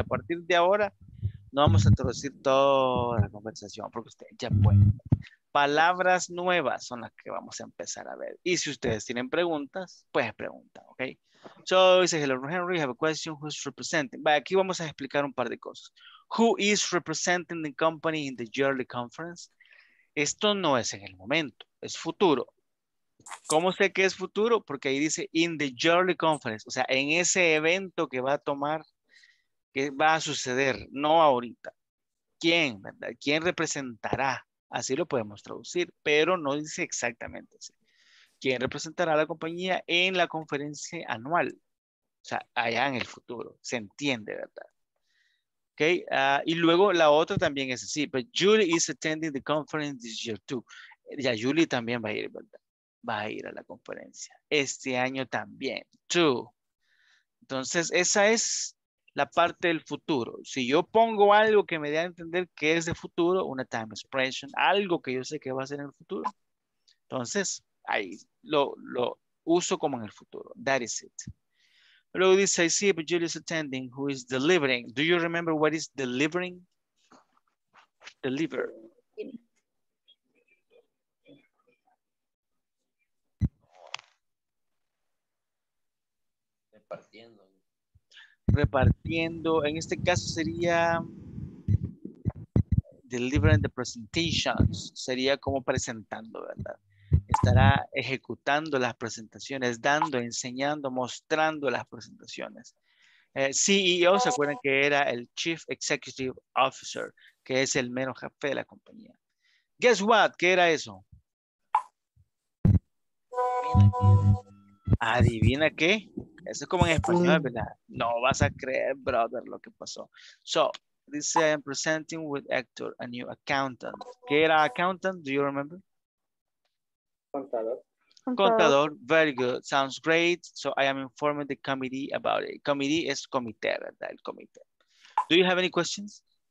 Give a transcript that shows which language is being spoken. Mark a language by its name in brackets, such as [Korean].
[Spanish] A partir de ahora, no vamos a traducir toda la conversación, porque ustedes ya pueden. Palabras nuevas son las que vamos a empezar a ver. Y si ustedes tienen preguntas, pues preguntan, ¿ok? So, dice, hello, Henry, have a question. Who's representing? Vale, aquí vamos a explicar un par de cosas. [English] Who is representing the company in the yearly conference? [Spanish] Esto no es en el momento, es futuro. ¿Cómo sé que es futuro? Porque ahí dice, in the yearly conference. O sea, en ese evento que va a tomar, que va a suceder, no ahorita. ¿Quién? ¿Verdad? ¿Quién representará? Así lo podemos traducir, pero no dice exactamente así. ¿Quién representará a la compañía en la conferencia anual? O sea, allá en el futuro. Se entiende, ¿verdad? Ok. Y luego la otra también es así. [English] But Julie is attending the conference this year too. [Spanish] Ya, Julie también va a ir, ¿verdad? Va a ir a la conferencia. Este año también. Too. Entonces, esa es la parte del futuro. Si yo pongo algo que me dé a entender que es de futuro, una time expression, algo que yo sé que va a ser en el futuro, entonces ahí lo uso como en el futuro. [English] That is it. Luego dice, I see, but Julie is attending. Who is delivering? Do you remember what is delivering? Deliver. [Spanish] Repartiendo. Repartiendo. En este caso sería delivering the presentations. Sería como presentando, ¿verdad? Estará ejecutando las presentaciones, dando, enseñando, mostrando las presentaciones. CEO, ¿se acuerdan que era el Chief Executive Officer, que es el mero jefe de la compañía? Guess what, ¿qué era eso? ¿Adivina qué? Eso es como en español, ¿verdad? No vas a creer, brother, lo que pasó. [English] So, this I am presenting with Hector, a new accountant. [Spanish] ¿Qué era accountant? Do you remember? Contador. [English] Very good. Sounds great. So I am informing the committee about it. [Spanish] Committee es comité, ¿verdad? El comité. Do you have any questions?